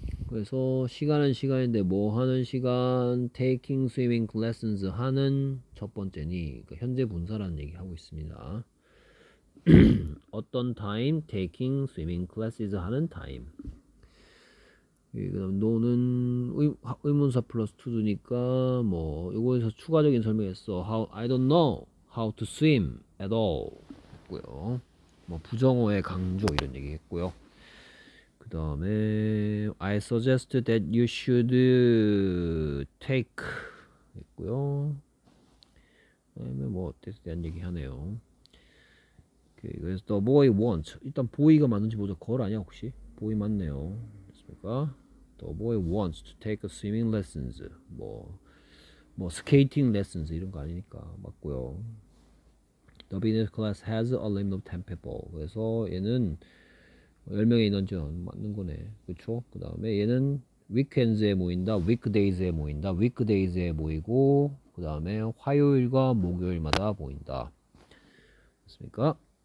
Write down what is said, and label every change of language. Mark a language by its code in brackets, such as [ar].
[ko] 그래서 시간은 시간인데 뭐 하는 시간 [en] taking swimming lessons [ko] 하는 첫 번째니 그러니까 현재 분사라는 얘기 하고 있습니다. [en] 어떤 time taking swimming classes 하는 time. [ko] 그다음 너는 의문사 플러스 투두니까 뭐 요거에서 추가적인 설명했어. [en] How I don't know how to swim at all [ko] 했고요. 뭐 부정어의 강조 이런 얘기 했고요. [en] 그 다음에 I suggest that you should take [ko] 했고요. 그다음에 뭐 어때서 대한 얘기 하네요. 오케이, 그래서 [en] the boy wants [ko] 일단 boy가 맞는지 보자. 걸 아니야 혹시? boy 맞네요. 됐습니까? [en] The boy wants to take a swimming lessons. [ko] 뭐 스케이팅 레슨스 이런 거 아니니까 맞고요. [en] The business class has a limit of 10 people. [ko] 그래서 얘는 10명의 인원 제한 맞는 거네. 그쵸? 그 다음에 얘는 위켄즈에 모인다. 위크데이즈에 모인다. 위크데이즈에 모이고 그 다음에 화요일과 목요일마다 모인다. 됐습니까?